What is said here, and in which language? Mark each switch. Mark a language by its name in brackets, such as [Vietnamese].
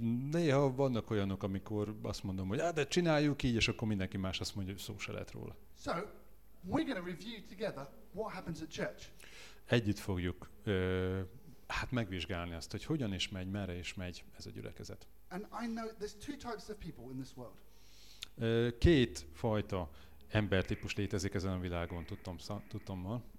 [Hungarian] Néha vannak olyanok, amikor azt mondom, hogy hát de csináljuk így, és akkor mindenki más azt mondja, hogy szó se lett róla. [English] So, we're gonna review together what happens at church. [Hungarian] Együtt fogjuk hát megvizsgálni azt, hogy hogyan is megy, merre is megy ez a gyülekezet. [English] And I know there's two types of people in this world. [Hungarian] Két fajta embertípus létezik ezen a világon, tudtam ma.